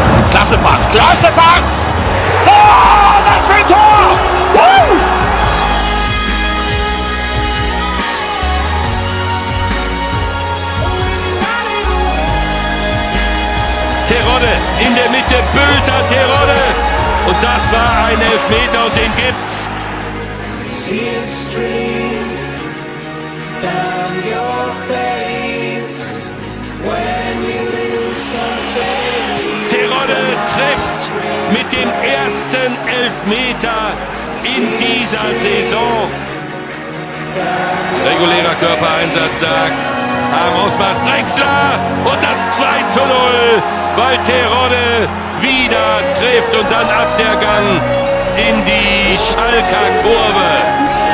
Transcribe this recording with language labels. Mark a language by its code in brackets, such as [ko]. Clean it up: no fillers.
[de] Klasse Pass, klasse Pass! Oh, was für ein Tor! Terodde in der Mitte, Bülter Terodde. Und das war ein Elfmeter und den gibt's. [en] See a stream down your face when you lose something. [de] Terodde trifft mit dem ersten Elfmeter in dieser Saison. Regulärer Körpereinsatz sagt am Ausmaß Drexler und das 2:0, weil Terodde wieder trifft und dann ab der Gang in die Schalker Kurve.